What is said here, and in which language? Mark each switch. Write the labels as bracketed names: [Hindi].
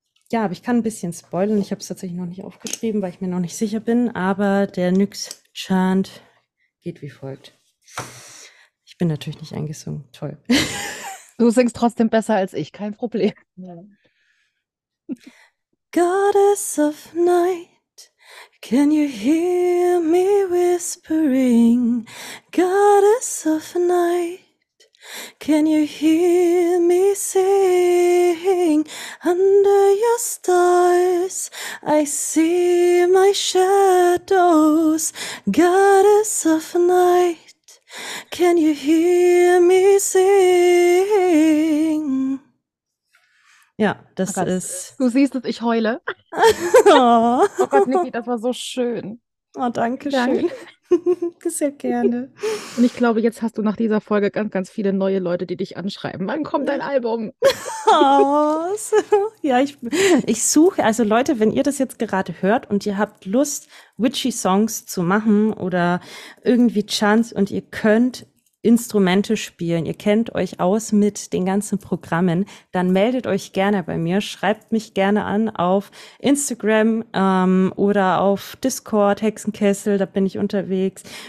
[German] Ja, aber ich kann ein bisschen spoilern. Ich habe es tatsächlich noch nicht aufgeschrieben, weil ich mir noch nicht sicher bin. Aber der Nyx Chant geht wie folgt. Ich bin natürlich nicht eingesungen. Toll. Du singst trotzdem besser als ich. Kein Problem. [English] Goddess of night, can you hear me whispering? Goddess of night, can you hear me sing? Under your stars, I see my shadows. Goddess of night, can you hear me sing? [German] Ja, das oh Gott, ist... Du siehst es, ich heule. Oh. Oh Gott, Niki, das war so schön. Oh, danke schön. Sehr gerne. Und ich glaube, jetzt hast du nach dieser Folge ganz, ganz viele neue Leute, die dich anschreiben. Wann kommt dein Album? Oh, ja, ich suche, also Leute, wenn ihr das jetzt gerade hört und ihr habt Lust, witchy Songs zu machen oder irgendwie Chants und ihr könnt Instrumente spielen, ihr kennt euch aus mit den ganzen Programmen, dann meldet euch gerne bei mir, schreibt mich gerne an auf Instagram oder auf Discord, Hexenkessel, da bin ich unterwegs.